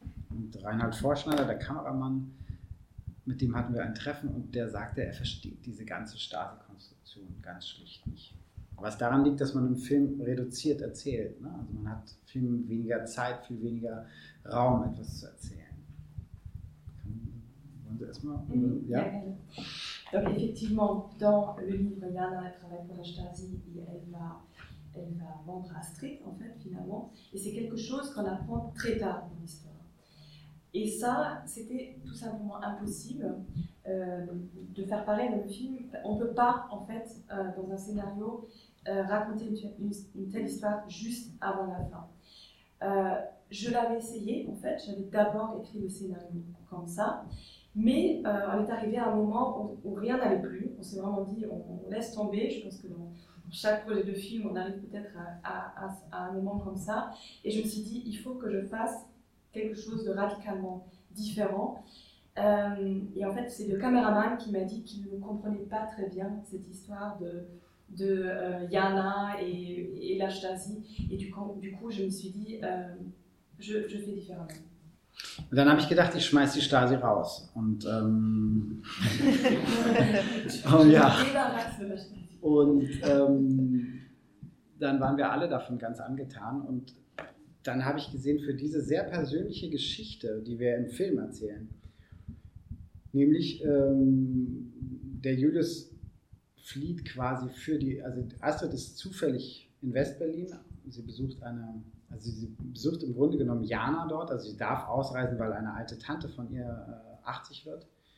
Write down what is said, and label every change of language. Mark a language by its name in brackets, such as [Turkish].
[German] Und Reinhard Vorschneider, der Kameramann, mit dem hatten wir ein Treffen und der sagte, er versteht diese ganze Stasi-Konstruktion ganz schlicht nicht. Was daran liegt, dass man im Film reduziert erzählt. Ne? Also man hat viel weniger Zeit, viel weniger Raum, etwas zu erzählen. Wollen Sie erstmal? Ja. [French] Donc effectivement, dans le livre Jana travaille pour la Stasi, elle va vendre Astrid, en fait, finalement. Et c'est quelque chose qu'on apprend très tard dans l'histoire. Et ça, c'était tout simplement impossible de faire parler dans le film. On ne peut pas, en fait, dans un scénario, raconter une telle histoire juste avant la fin. Je l'avais essayé, en fait, j'avais d'abord écrit le scénario comme ça, mais on est arrivé à un moment où rien n'allait plus, on s'est vraiment dit, on laisse tomber, je pense que dans chaque projet de film, on arrive peut-être à un moment comme ça, et je me suis dit, il faut que je fasse quelque chose de radicalement différent. Et en fait, c'est le caméraman qui m'a dit qu'il ne comprenait pas très bien cette histoire de Yana et la Stasi. Et du coup, je me suis dit, je fais différemment. [German] Und dann habe ich gedacht, ich schmeiße die Stasi raus. Und, dann waren wir alle davon ganz angetan. Und dann habe ich gesehen, für diese sehr persönliche Geschichte, die wir im Film erzählen, nämlich der Julius flieht quasi für die, also Astrid ist zufällig in West-Berlin, sie besucht im Grunde genommen Jana dort, also sie darf ausreisen, weil eine alte Tante von ihr 80 wird.